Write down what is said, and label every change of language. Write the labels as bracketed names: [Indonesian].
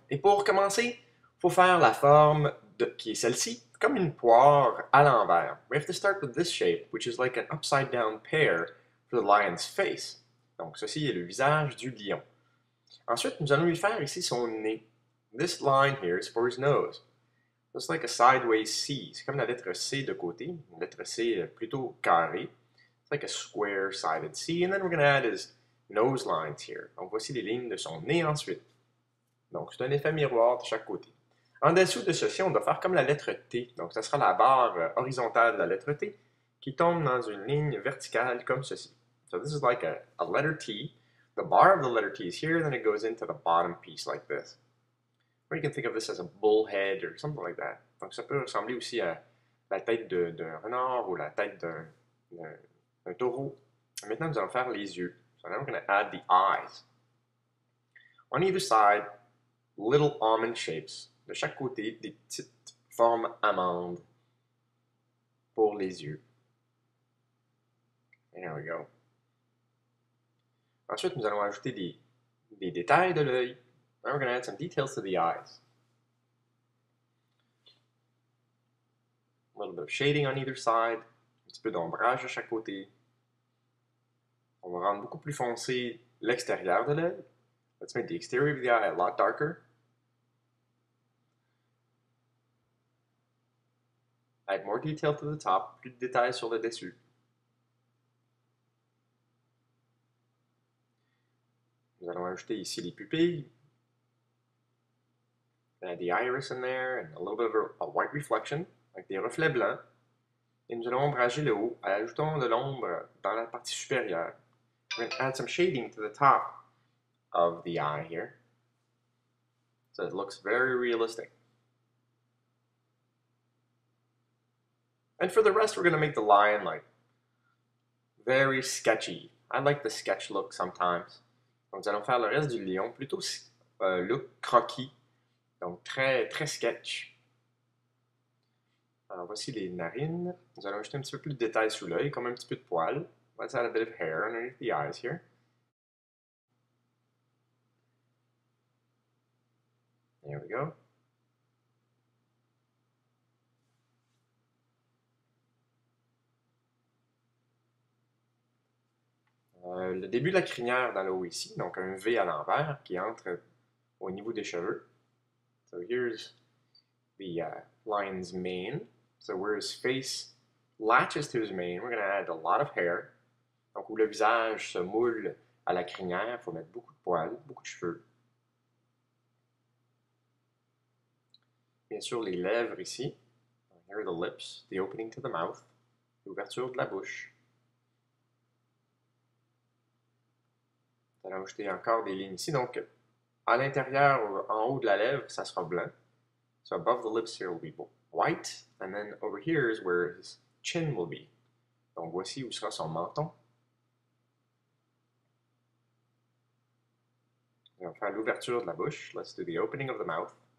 [French] Et pour commencer, il faut faire la forme de, qui est celle-ci, comme une poire à l'envers. [English] We have to start with this shape, which is like an upside down pear for the lion's face. [French] Donc, ceci est le visage du lion. Ensuite, nous allons lui faire ici son nez. [English] This line here is for his nose. It's like a sideways C. [French] C'est comme la lettre C de côté, une lettre C plutôt carrée. [English] Like a square-sided C, and then we're going to add his nose lines here. [French] Donc voici les lignes de son nez ensuite. Donc c'est un effet miroir de chaque côté. En dessous de ceci, on doit faire comme la lettre T. Donc ça sera la barre horizontale de la lettre T qui tombe dans une ligne verticale comme ceci. [English] So this is like a letter T. The bar of the letter T is here, then it goes into the bottom piece like this. Or you can think of this as a bull head or something like that. [French] Donc ça peut ressembler aussi à la tête d'un renard ou la tête d'un taureau. Maintenant, nous allons faire les yeux. [English] So now we're going to add the eyes. On either side, little almond shapes. [French] De chaque côté, des petites formes amandes pour les yeux. [English] There we go. [French] Ensuite, nous allons ajouter des détails de l'œil. [English] Now we're going to add some details to the eyes. A little bit of shading on either side. [French] Un petit peu d'ombrage à chaque côté. On va rendre beaucoup plus foncé l'extérieur de l'œil. [English] Let's make the exterior of the eye a lot darker. Add more detail to the top, [French] plus de détails sur le dessus. Nous allons ajouter ici les pupilles. [English] Add the iris in there and a little bit of a white reflection, [French] avec des reflets blancs. Et nous allons ombrager le haut, ajoutons de l'ombre dans la partie supérieure. [English] We're going to add some shading to the top of the eye here. So it looks very realistic. And for the rest, we're going to make the lion like very sketchy. I like the sketch look sometimes. [French] Donc, nous allons faire le reste du lion plutôt look croquis. Donc, très, très sketch. Alors, voici les narines. Nous allons ajouter un petit peu plus de détails sous l'œil, comme un petit peu de poils. [English] Let's add a bit of hair underneath the eyes here. There we go. [French] Le début de la crinière dans le haut ici, donc un V à l'envers qui entre au niveau des cheveux. [English] So here's the lion's mane. So where his face latches to his mane, we're going to add a lot of hair. [French] Donc, où le visage se moule à la crinière, il faut mettre beaucoup de poils, beaucoup de cheveux. Bien sûr, les lèvres ici. [English] Here are the lips, the opening to the mouth, [French] l'ouverture de la bouche. Nous allons ajouter encore des lignes ici. Donc, à l'intérieur, en haut de la lèvre, ça sera blanc. [English] So, above the lips here will be white. And then, over here is where his chin will be. [French] Donc, voici où sera son menton. On va faire l'ouverture de la bouche. [English] Let's do the opening of the mouth.